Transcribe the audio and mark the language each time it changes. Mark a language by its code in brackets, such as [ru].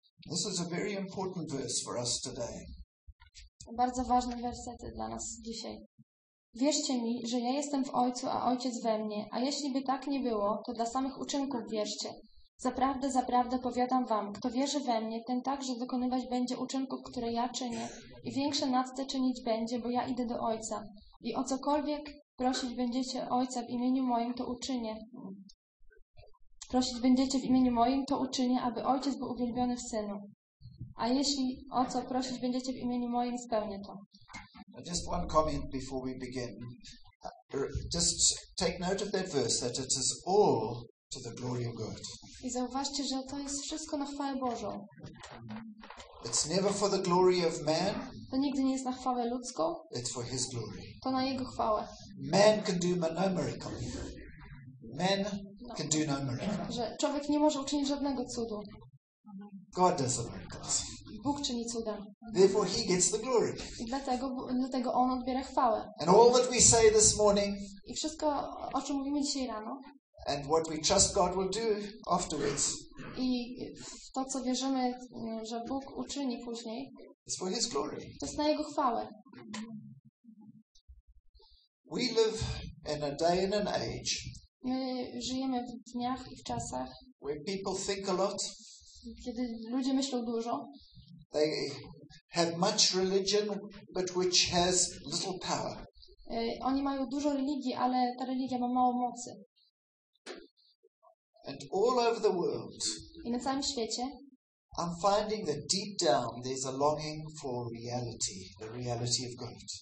[en] This is a very important verse for us today. [pl] Bardzo ważny werset dla nas dzisiaj. Wierzcie mi, że ja jestem w Ojcu, a Ojciec we mnie, a jeśli by tak nie było, to dla samych uczynków wierzcie. Zaprawdę, zaprawdę powiadam wam, kto wierzy we mnie, ten także wykonywać będzie uczynków, które ja czynię i większe nad te czynić będzie, bo ja idę do Ojca. I o cokolwiek prosić będziecie Ojca w imieniu moim, to uczynię. Prosić będziecie w imieniu moim, to uczynię, aby Ojciec był uwielbiony w Synu. A jeśli o co prosić będziecie w imieniu moim, spełnię to. [en] Just one comment before we begin. Just take note of that verse, that it is all to the glory of God. [pl] I zauważcie, że to jest wszystko na chwałę Bożą. [en] It's never for the glory of man. [pl] To nigdy nie jest na chwałę ludzką. [en] It's for his glory. [pl] To na jego chwałę. [en] Man can do no miracle. Man can do no miracle. [pl] Że człowiek nie może uczynić żadnego cudu. [en] God does the miracles. [pl] Bóg czyni cuda. [en] Therefore he gets the glory. [pl] I dlatego on odbiera chwałę. [en] And all that we say this morning. [pl] I wszystko, o czym mówimy dzisiaj rano. [en] And what we trust God will do afterwards. [pl] I to, co wierzymy, że Bóg uczyni później. [en] It's for his glory. [pl] To jest na jego chwałę. [en] We live in a day and an age. [pl] My żyjemy w dniach i w czasach. [en] Where people think a lot. [pl] Kiedy ludzie myślą dużo. [en] They have much religion, but which has little power. [pl] Oni mają dużo religii, ale ta religia ma mało mocy. [en] And all over the world, [pl] i na całym świecie, [en] I'm finding that deep down there's a longing for reality, the reality of God.